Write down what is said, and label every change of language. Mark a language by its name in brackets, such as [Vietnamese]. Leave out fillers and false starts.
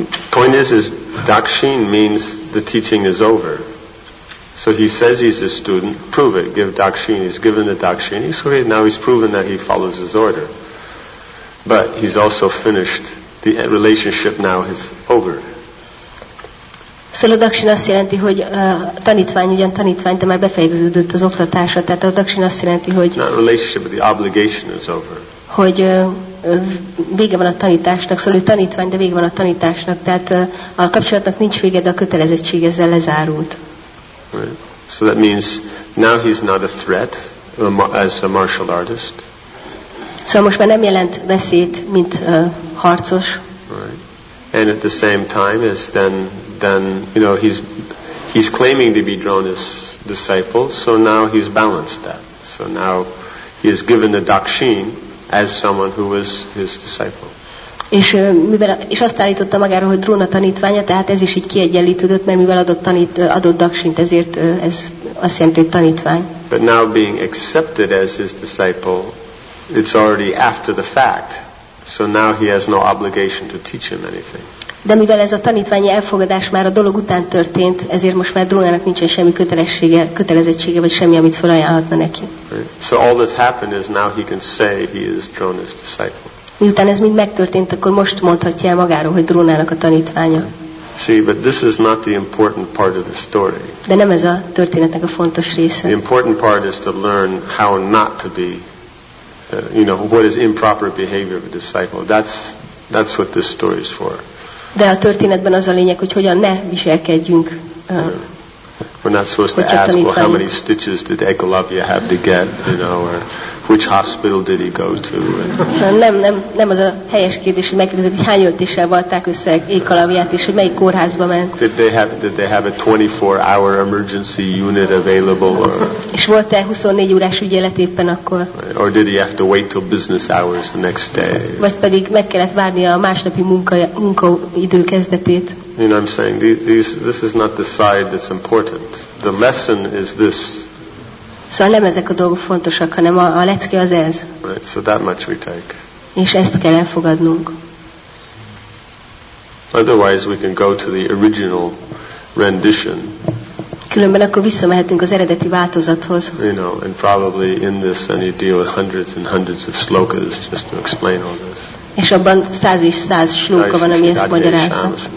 [English] Point is Dakshin means the teaching is over. So he says he's a student, prove it, give Dakshin. He's given the Dakshin. So now he's proven that he follows his order. But he's also finished, the relationship now is over. [Hungarian] Szóval a Dakshin azt jelenti, hogy tanítvány, de már befejeződött az oktatása. Tehát a Dakshin azt jelenti, hogy... [English] Not relationship, but the obligation is over. [Hungarian] Hogy vége van a tanításnak, szóval ő tanítvány, de vége van a tanításnak. Tehát a kapcsolatnak nincs vége, de a kötelezettség ezzel lezárult. [English] Right. So that means now he's not a threat as a martial artist. [Hungarian] Szóval most már nem jelent veszélyt, mint harcos. [English] Right. And at the same time is then you know he's claiming to be Drona's disciple, so now he's balanced that. So now he is given the dakshin as someone who was his disciple. [Hungarian] És azt állította magáról, hogy Drona tanítványa, tehát ez is így kiegyenlítődött, mert mivel adott dakshint, ezért ez azt jelenti, hogy tanítvány. [English] But now being accepted as his disciple, it's already after the fact, so now he has no obligation to teach him anything. [Hungarian] De mivel ez a tanítványi elfogadás már a dolog után történt, ezért most már Drónának nincsen semmi kötelezettsége, vagy semmi, amit felajánlhatna neki. [English] So all that's happened is now he can say he is Drona's disciple. [Hungarian] Miután ez mind megtörtént, akkor most mondhatja el magáról, hogy Drónának a tanítványa. [English] See, but this is not the important part of the story. [Hungarian] De nem ez a történetnek a fontos része. [English] The important part is to learn how not to be, you know, what is improper behavior of a disciple. That's what this story is for. [Hungarian] De a történetben az a lényeg, hogy hogyan ne viselkedjünk. [English] We're not supposed to ask, well, how many stitches did Ekalavya have to get, you know, or which hospital did he go to. [Hungarian] Nem az a helyes kérdés, hogy megkérdezik, hogy hány öltéssel valták össze Ekalavyát, és hogy melyik kórházba ment. [English] Did they have a 24-hour emergency unit available? [Hungarian] És volt-e 24 órás ügyelet éppen akkor? [English] Or did he have to wait till business hours the next day? [Hungarian] Vagy pedig meg kellett várni a másnapi munkaidő kezdetét? [English] You know, I'm saying this is not the side that's important. The lesson is this. [Hungarian] Szóval nem ezek a dolgok fontosak, hanem a lecke az ez. [English] Right, so that much we take. [Hungarian] És ezt kell elfogadnunk. [English] Otherwise, we can go to the original rendition. [Hungarian] Különben akkor visszamehetünk az eredeti változathoz. [English] You know, and probably in this, and you deal with hundreds and hundreds of slokas just to explain all this. [Hungarian] És abban száz és száz slóka van, ami ezt magyarázza.